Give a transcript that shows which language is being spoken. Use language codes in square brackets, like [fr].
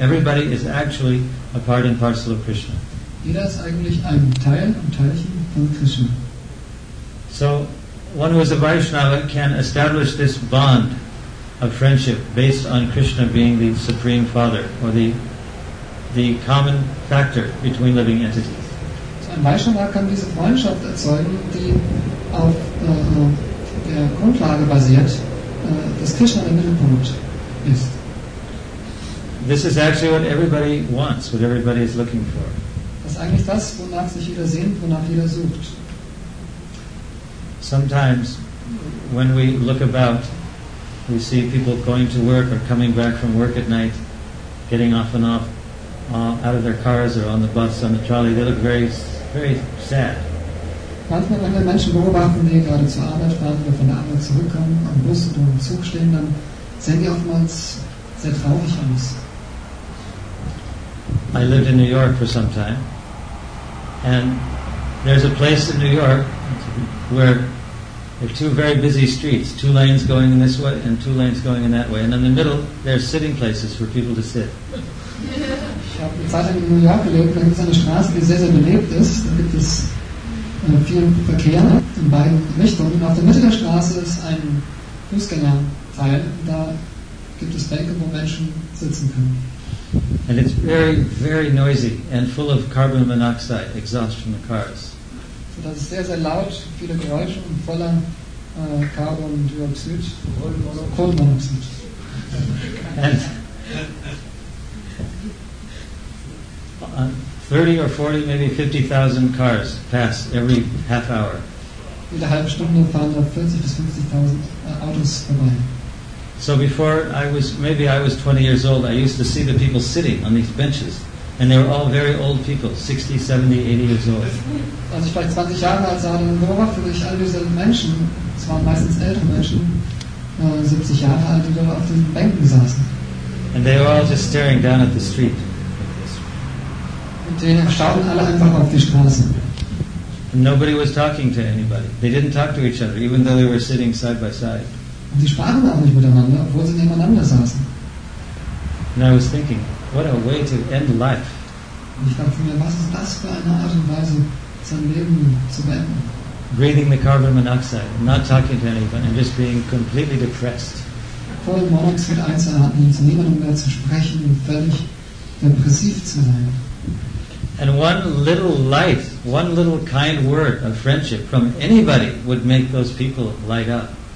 [en] Everybody is actually a part and parcel of Krishna. [de] Jeder ist eigentlich ein Teil und Teilchen von Krishna. [en] So, one who is a Vaishnava can establish this bond of friendship based on Krishna being the Supreme Father or the common factor between living entities. [de] Ein Vaishnava kann diese Freundschaft erzeugen, die auf der Grundlage basiert, dass Krishna der Mittelpunkt ist. [en] This is actually what everybody wants, what everybody is looking for. [de] Das ist eigentlich das, wonach sich jeder sehnt, wonach jeder sucht. [en] Sometimes, when we look about, we see people going to work or coming back from work at night, getting off and off, out of their cars or on the bus, on the trolley, they look very sad. [de] Manchmal, wenn wir Menschen beobachten, die gerade zur Arbeit fahren oder von der Arbeit zurückkommen, am Bus oder im Zug stehen, dann sehen die oftmals sehr traurig aus. [en] I lived in New York for some time, and there's a place in New York where there are two very busy streets, two lanes going in this way and two lanes going in that way, and in the middle there are sitting places for people to sit. [de] Ich habe eine Zeit in New York gelebt, da gibt es eine Straße, die sehr, sehr belebt ist. Da gibt es vielen Verkehr in beiden Richtungen. Auf der Mitte der Straße ist ein Fußgängerteil. Da gibt es Bänke, wo Menschen sitzen können. [en] And it's very, very noisy and full of carbon monoxide, exhaust from the cars. [de] So das ist sehr, sehr laut, viele Geräusche und voller Carbondioxid, Kohlenmonoxid. [en] And 30 or 40, maybe 50,000 cars pass every half hour. [de] Jede halbe Stunde fahren da 40 bis 50,000 Autos vorbei. [en] So before I was 20 years old, I used to see the people sitting on these benches, and they were all very old people, 60, 70, 80 years old. [de] Als ich vielleicht 20 Jahre alt war, dann beobachtete ich all diese Menschen. Es waren meistens ältere Menschen, 70 Jahre alt, die da auf den Bänken saßen. [en] And they were all just staring down at the street. [de] Und die schauten alle einfach auf die Straße. [en] And nobody was talking to anybody. They didn't talk to each other, even though they were sitting side by side. [de] Und sie sprachen auch nicht miteinander, obwohl sie nebeneinander saßen. [en] And I was thinking, what a way to end life. [de] Und ich dachte mir, was ist das für eine Art und Weise, sein Leben zu beenden? [en] Breathing the carbon monoxide, not talking to anyone, and just being completely depressed. [de] Kohlenmonoxid einzuatmen und zu niemandem mehr zu sprechen und völlig depressiv zu sein. [en] And one little light, one little kind word of friendship from anybody would make those people light up.